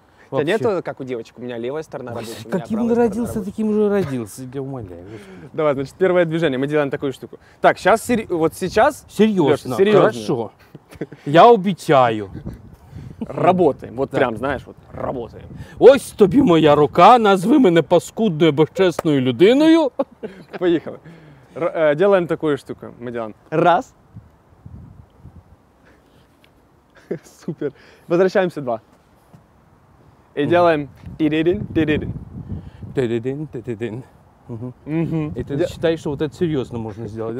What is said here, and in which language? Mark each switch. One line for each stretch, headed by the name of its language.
Russian: У тебя нет, как у девочек, у меня левая сторона рабочая. Каким он родился, таким же родился, я умоляю. Давай, значит, первое движение, мы делаем такую штуку. Так, сейчас, вот сейчас... Серьезно, хорошо. Я обещаю. Работаем, вот прям, знаешь, вот работаем.
Ukrainian: Ось тобі моя рука, назви мене паскудною, безчесною людиною. Поїхали.
Russian: Делаем такую штуку, мы делаем. Раз. Супер. Возвращаемся, два. И делаем тиридин, тиридин. Тиридин, тиридин. И ты считаешь, что вот это серьезно можно сделать?